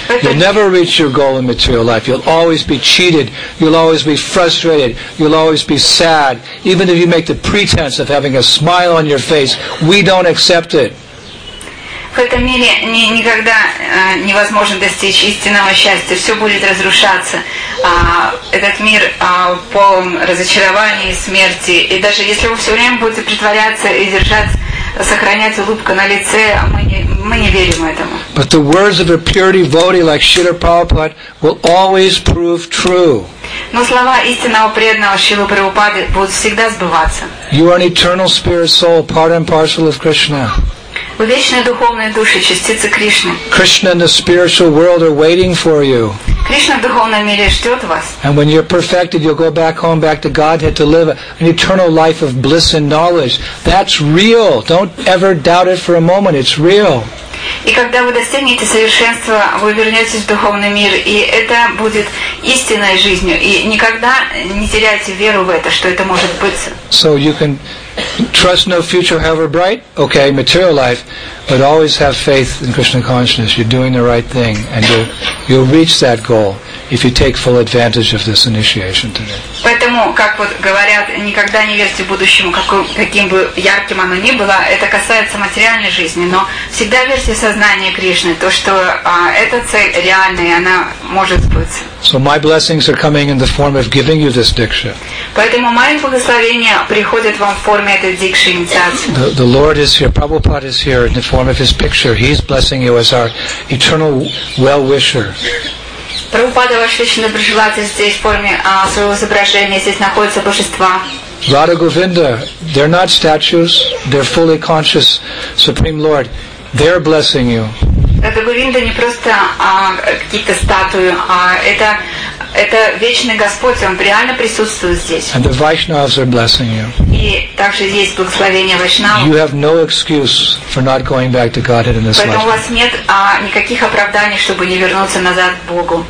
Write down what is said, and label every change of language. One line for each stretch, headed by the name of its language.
English: You'll never reach your goal in material life. You'll always be cheated. You'll always be frustrated. You'll always be sad. Even if you make the pretense of having a smile on your face, we don't accept it.
Russian: В этом мире никогда невозможно достичь истинного счастья. Все будет разрушаться. Этот мир полон разочарований и смерти. И даже если вы все время будете притворяться и сохранять улыбку на лице, мы не верим этому.
English: But the words of a pure devotee like Srila Prabhupada will always prove true.
Russian: Но слова истинного преданного Шрилы Прабхупады будут всегда сбываться.
English: You are an eternal spirit soul, part and parcel of Krishna.
Russian: Вы вечная духовная душа, частица Кришны.
English: Krishna and the spiritual world are waiting for you.
Russian: Кришна в духовном мире ждет вас.
English: And when you're perfected, you'll go back home, back to Godhead, to live an eternal life of bliss and knowledge. That's real. Don't ever doubt it for a moment. It's real.
Russian: И когда вы достигнете совершенства, вы вернетесь в духовный мир, и это будет истинной жизнью. И никогда не теряйте веру в это, что это может быть.
English: So you can trust no future, however bright, okay, material life, but always have faith in Krishna consciousness. You're doing the right thing, and you'll reach that goal. if you take full advantage of this initiation today.
Russian: Поэтому, как вот говорят, никогда не верьте будущему, каким бы ярким оно ни было. Это касается материальной жизни, но всегда верьте в сознание Кришны, то что эта цель реальная, она может сбыться.
English: So my blessings are coming in the form of giving you this diksha.
Russian: Поэтому мои благословения приходят вам в форме этой дикши инициации.
English: The Lord is here, Prabhupada is here in the form of his picture. He is blessing you as our eternal well-wisher.
Russian: Прабхупада, ваш вечный доброжелатель, здесь в форме своего изображения, здесь находятся божества.
English: Radha Govinda, they're not statues, they're fully conscious, Supreme Lord, they're blessing you.
Russian: Radha Govinda не просто какие-то статуи, а это вечный Господь, Он реально присутствует здесь.
English: And the Vaishnavas are blessing you.
Russian: И также есть благословение Вайшнава.
English: You have no excuse for not going back to Godhead in this life.
Russian: Поэтому у вас нет никаких оправданий, чтобы не вернуться назад к Богу.